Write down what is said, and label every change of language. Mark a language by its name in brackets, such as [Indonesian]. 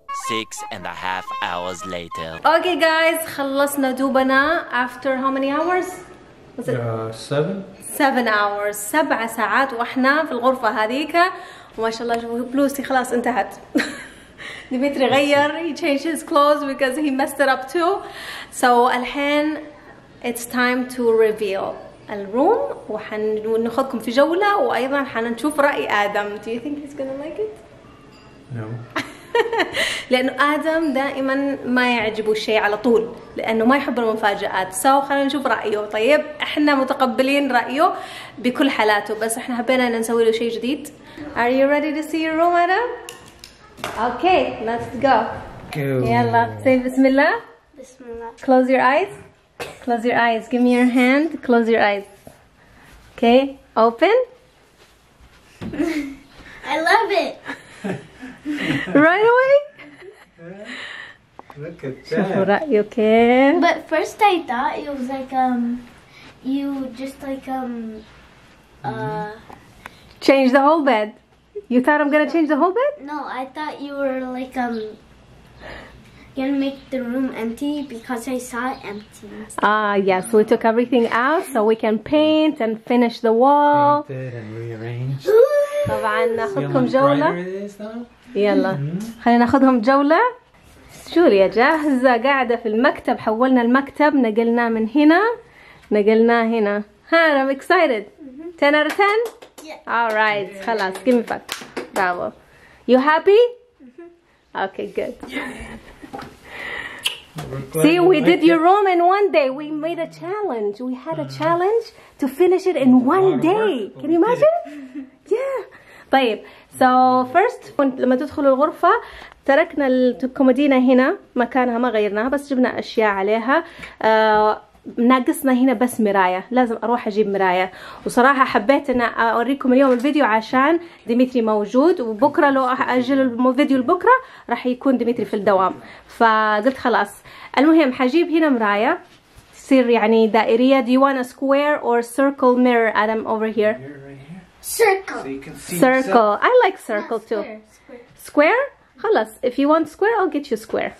[English] Six and a half hours later. Okay guys, [Arabic] خلصنا دوبنا [English] after how many hours? Seven hours. [Arabic] 7 ساعات واحنا في الغرفة هذيك، وما شاء الله شوفوا بلوزتي خلاص انتهت. [English] Dmitri [Arabic] غير [English] he changed his clothes because he messed it up too. So [Arabic] الحين [English] it's time to reveal the room [Arabic] وحنخدكم في جولة وأيضا حنشوف رأي آدم. [English] Do you think he's gonna like it? No. [Arabic] لأنه آدم دائما ما يعجبه شيء على طول لأنه ما يحب المفاجآت. سو خلينا نشوف رأيه. طيب إحنا متقبلين رأيه بكل حالاته بس إحنا حبينا أن نسوي له شيء جديد. [English] Are you ready to see your room, Adam? Okay, let's go. [Arabic] يلا [English] say [Arabic] بسم الله. بسم الله. [English] Close your eyes. Close your eyes. Give me your hand. Close your eyes. Okay. Open. I love it. Right away. Look at that. [Arabic] شوفوا رأيه كيف. [English] But first I thought it was like you just like change the whole bed. You thought I'm gonna change the whole bed? No, I thought you were like gonna make the room empty because I saw it empty. Ah yes, we took everything out so we can paint and finish the wall. Painted and rearranged. [Arabic] طبعا ناخذكم جولة. يلا خلينا ناخذهم جولة. جوليا جاهزة قاعدة في المكتب. حولنا المكتب نقلناه من هنا نقلناه هنا. [English] ها I'm excited. 10 out of 10? Yeah. Alright [Arabic] خلاص [English] give me back. Bravo. You happy? Okay good. See we did your room in one day. We made a challenge. We had a challenge to finish it in one day. Can you imagine? Yeah. [Arabic] طيب [English] so first [Arabic] لما تدخلوا الغرفة تركنا الكومودينا هنا مكانها ما غيرناها بس جبنا أشياء عليها. ناقصنا هنا بس مراية لازم أروح أجيب مراية. وصراحة حبيت أن أوريكم اليوم الفيديو عشان ديمتري موجود وبكرة لو أجل الفيديو البكرة راح يكون ديمتري في الدوام فقلت خلاص. المهم حجيب هنا مراية تصير يعني دائرية. [English] Do you want a square or circle mirror Adam over here? Circle. So circle. I like circle no, too. Square. Square? [Arabic] خلاص. [English] If you want square, I'll get you square.